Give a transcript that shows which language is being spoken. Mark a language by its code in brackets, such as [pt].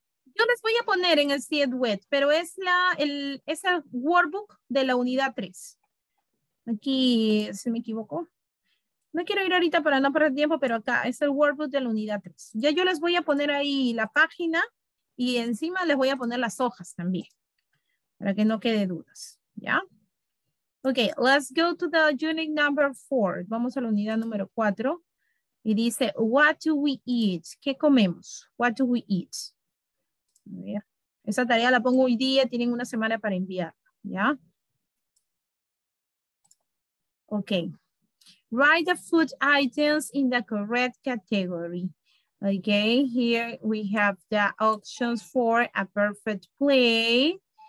[es] Yo les voy a poner en el CIE web, pero es el workbook de la unidad 3. Aquí, ¿se me equivocó? No quiero ir ahorita para no perder tiempo, pero acá es el workbook de la unidad 3. Ya yo les voy a poner ahí la página y encima les voy a poner las hojas también. Para que no quede dudas, ¿ya? [en] Ok, let's go to the unit number four. [es] Vamos a la unidad número 4. Y dice, [en] what do we eat? [es] ¿Qué comemos? [en] What do we eat? [es] ¿Ya? Esa tarea la pongo hoy día, tienen una semana para enviarla, ¿ya? [en] Ok. Write the food items in the correct category. Ok, here we have the options for a perfect plate.